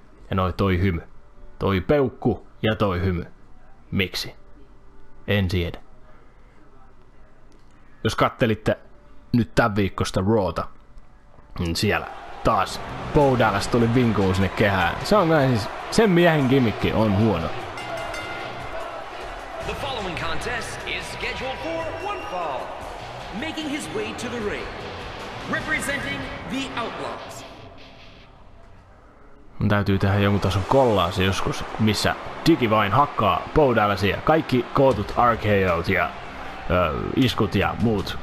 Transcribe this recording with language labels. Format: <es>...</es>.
<fi>Ja noi toi hymy. Toi peukku ja toi hymy. Miksi? En tiedä. Jos kattelitte nyt tän viikosta Rawta, niin siellä taas Bo Dallas tuli vinkuu sinne kehään. Se on näin siis, sen miehen gimmikki on huono.</fi> <en>The following contest is scheduled for one fall. Making his way to the ring. Representing the Outlaws.</en> <fi>Mun täytyy tehdä jonkun tason kollaasi joskus, missä Digi vain hakkaa Bo Dallasia. Kaikki kootut RKO't ja iskut ja muut.</fi>